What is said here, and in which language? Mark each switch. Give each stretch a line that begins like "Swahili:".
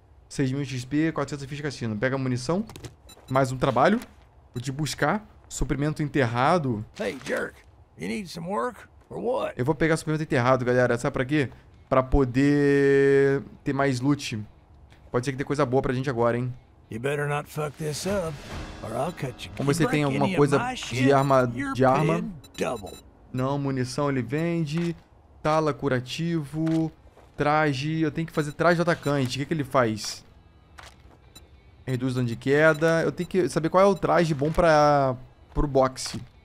Portuguese: 6.000 XP, 400 fichas de cassino. Pega munição. Mais um trabalho. O de buscar. Suprimento enterrado.
English: Hey, jerk. You need some work? Or what?
Portuguese: Eu vou pegar suprimento enterrado, galera. Sabe pra quê? Pra poder ter mais loot. Pode ser que dê coisa boa pra gente agora, hein?
English: You better not fuck this up, or I'll cut you.
Portuguese: Como você tem alguma coisa de arma. De arma. Não, munição ele vende. Tala curativo. Traje. Eu tenho que fazer traje do atacante. O que, que ele faz? Reduz dano de queda. Eu tenho que saber qual é o traje bom pra. Pro boxe.